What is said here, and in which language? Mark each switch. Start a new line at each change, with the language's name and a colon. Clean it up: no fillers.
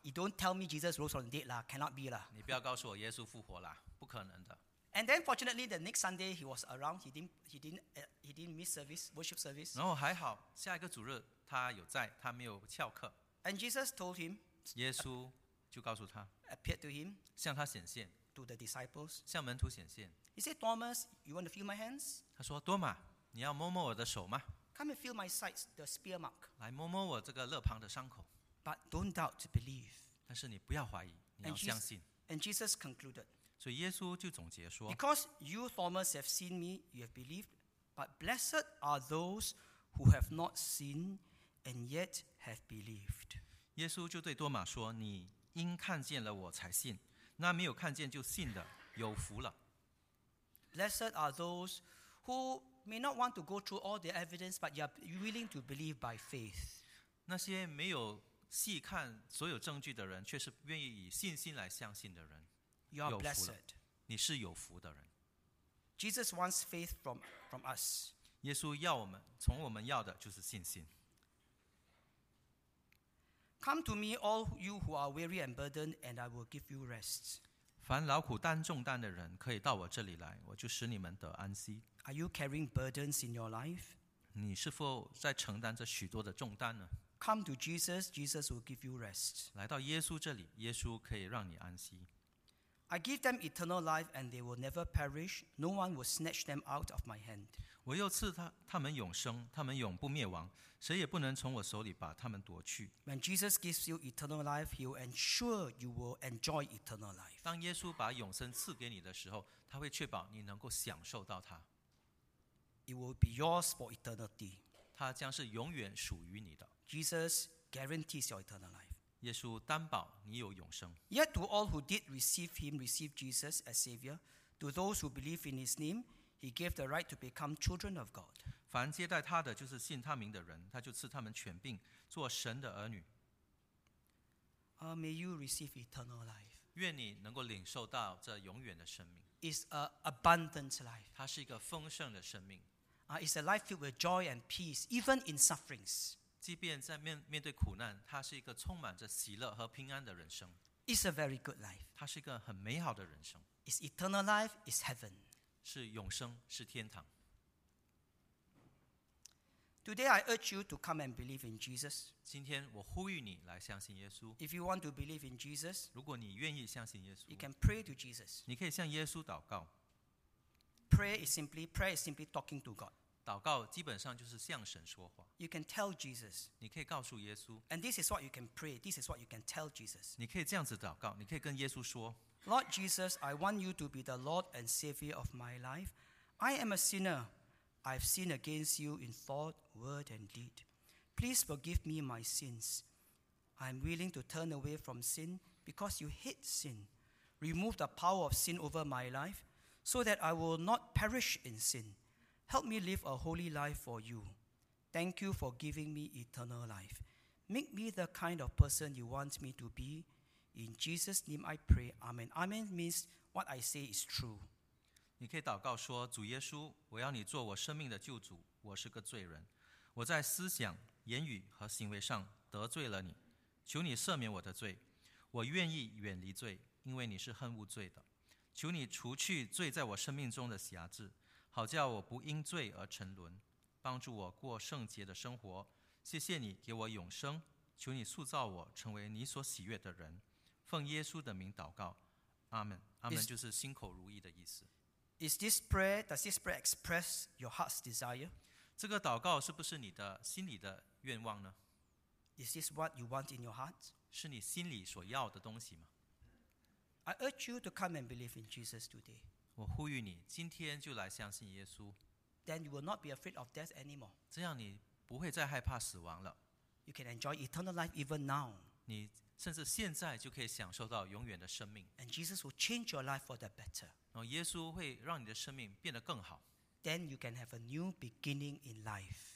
English: you don't tell me Jesus rose from the dead, lah, cannot be, lah.
Chinese: 你不要告诉我耶稣复活了，不可能的。
English: And then fortunately the next Sunday he was around, he didn't miss service, worship service.
Chinese: 然后还好下一个主日他有在，他没有翘课。
English: And Jesus told him,
Chinese: 耶稣就告诉他,
English: appeared to him,
Chinese: 向他显现,
English: to the disciples,
Chinese: 向门徒显现。
English: He said, "Thomas, you want to feel my hands?"
Chinese: 他说，多马，你要摸摸我的手吗？
English: "Come and feel my sides, the spear mark."
Chinese: 来摸摸我这个肋旁的伤口。
English: But don't doubt to believe.
Chinese: 但是你不要怀疑，你要相信。
English: And Jesus concluded,
Chinese: 所以耶稣就总结说,
English: "Because you, Thomas, have seen me, you have believed, but blessed are those who have not seen and yet have believed."
Chinese: 耶稣就对多马说, 你因看见了我才信, 那没有看见就信的,有福了。
English: Blessed are those who may not want to go through all the evidence, but you are willing to believe by faith.
Chinese: 那些没有细看所有证据的人, 却是愿意以信心来相信的人。
English: You are blessed.
Chinese: 你是有福的人。
English: Jesus wants faith from us.
Chinese: 耶稣要我们, 从我们要的就是信心。
English: Come to me, all you who are weary and burdened, and I will give you rest.
Chinese: 凡劳苦担重担的人可以到我这里来, 我就使你们得安息。
English: Are you carrying burdens in your life?
Chinese: 你是否在承担着许多的重担呢?
English: Come to Jesus, Jesus will give you rest.
Chinese: 来到耶稣这里, 耶稣可以让你安息。
English: I give them eternal life and they will never perish. No one will snatch them out of my hand.
Chinese: 我又赐他们永生，他们永不灭亡，谁也不能从我手里把他们夺去。
English: When Jesus gives you eternal life, he will ensure you will enjoy eternal life.
Chinese: 当耶稣把永生赐给你的时候，他会确保你能够享受到它。
English: It will be yours for eternity.
Chinese: 他将是永远属于你的。
English: Jesus guarantees your eternal life.
Chinese: 耶稣担保你有永生。
English: Yet to all who did receive him, receive Jesus as Savior. To those who believe in his name, he gave the right to become children of God.
Chinese: 凡接待他的，就是信他名的人，他就赐他们权柄，做神的儿女。
English: May you receive eternal life.
Chinese: 愿你能够领受到这永远的生命。
English: It's an abundant life.
Chinese: 它是一个丰盛的生命。
English: It's a life filled with joy and peace, even in sufferings.
Chinese: 即便在面对苦难，它是一个充满着喜乐和平安的人生。
English: It's a very good life.
Chinese: 它是一个很美好的人生。
English: It's eternal life. It's heaven.
Chinese: 是永生，是天堂。
English: Today I urge you to come and believe in Jesus.
Chinese: 今天我呼吁你来相信耶稣。
English: If you want to believe in Jesus,
Chinese: 如果你愿意相信耶稣，
English: you can pray to Jesus.
Chinese: 你可以向耶稣祷告。
English: Prayer is simply talking to God.
Chinese: 祷告基本上就是向神说话。
English: You can tell Jesus.
Chinese: 你可以告诉耶稣。
English: And this is what you can pray. This is what you can tell Jesus.
Chinese: 你可以这样子祷告，你可以跟耶稣说。
English: Lord Jesus, I want you to be the Lord and Savior of my life. I am a sinner. I've sinned against you in thought, word, and deed. Please forgive me my sins. I'm willing to turn away from sin because you hate sin. Remove the power of sin over my life so that I will not perish in sin. Help me live a holy life for you. Thank you for giving me eternal life. Make me the kind of person you want me to be. In Jesus' name I pray. Amen. Amen means what I say is true.
Chinese: 你可以祷告说，主耶稣，我要你做我生命的救主。我是个罪人，我在思想、言语和行为上得罪了你，求你赦免我的罪。我愿意远离罪，因为你是恨恶罪的。求你除去罪在我生命中的瑕疵，好叫我不因罪而沉沦，帮助我过圣洁的生活。谢谢你给我永生，求你塑造我成为你所喜悦的人。奉耶稣的名祷告，阿门。阿门就是心口如意的意思。
English: Does this prayer express your heart's desire?
Chinese: 这个祷告是不是你的心里的愿望呢？
English: Is this what you want in your heart?
Chinese: 是你心里所要的东西吗？
English: I urge you to come and believe in Jesus today.
Chinese: 我呼吁你今天就来相信耶稣。
English: Then you will not be afraid of death anymore.
Chinese: 这样你不会再害怕死亡了。
English: You can enjoy eternal life even now.
Chinese: 你甚至现在就可以享受到永远的生命。
English: And Jesus will change your life for the better.
Chinese: 耶稣会让你的生命变得更好。
English: Then you can have a new beginning in life.